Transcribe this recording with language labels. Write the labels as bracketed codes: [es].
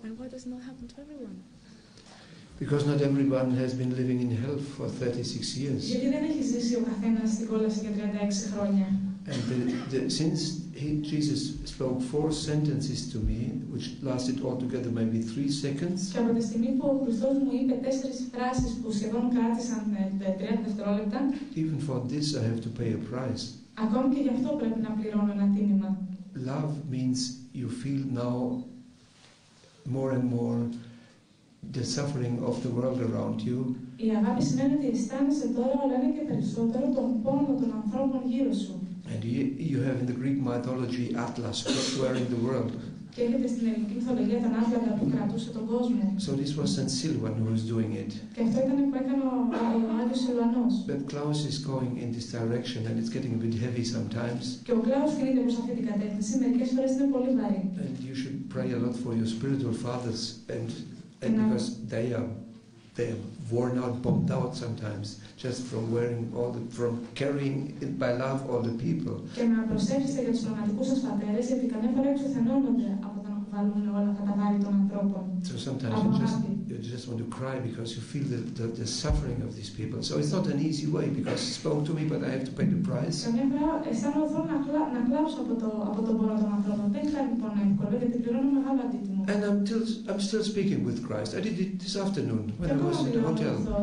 [en] And why does it not happen to everyone? Because not everyone has been living in hell for 36 years. [el] Γιατί δεν έχει ζήσει ο καθένας στην κόλαση για 36 χρόνια? [en] And since Jesus spoke four sentences to me, which lasted altogether maybe 3 seconds. [el] Και από τη στιγμή που ο Χριστός μου είπε τέσσερις φράσεις που σχεδόν κράτησαν 3 δευτερόλεπτα. [en] Even for this, I have to pay a price. [el] Ακόμη και γι' αυτό πρέπει να πληρώνω ένα τίμημα. [en] Love means you feel now more and more the suffering of the world around you. [el] Η αγάπη σημαίνει ότι αισθάνεσαι τώρα όλο ένα και περισσότερο τον πόνο των ανθρώπων γύρω σου. [en] And you have in the Greek mythology Atlas, wearing the world. [el] Και έχετε στην ελληνική μυθολογία τον Άτλαντα που κρατούσε τον κόσμο. [en] So this was Saint Silvan who was doing it. [el] Και αυτό ήταν που έκανε ο Άγιος Σιλουανός. [en] But Klaus is going in this direction and it's getting a bit heavy sometimes. [el] Και ο Klaus κινείται προς αυτή την κατεύθυνση, μερικές φορές είναι πολύ βαρύ. [en] And you should pray a lot for your spiritual fathers and because they are worn out, bombed out sometimes, just from wearing all the, from carrying it by love all the people. [el] Και να προσέξετε για τους πραγματικούς σας πατέρες, γιατί καμιά φορά εξουθενώνονται από το να βάλουν όλα αυτά τα βάρη των ανθρώπων. [en] So sometimes you just want to cry because you feel the suffering of these people. So it's not an easy way because he spoke to me, but I have to pay the price. [el] Καμιά φορά αισθάνομαι θέλω να κλάψω από το πόνο των ανθρώπων. Δεν ήταν λοιπόν εύκολο γιατί πληρώνω μεγάλο αντίτιμο. [en] And I'm still speaking with Christ. I did it this afternoon when I was in the hotel.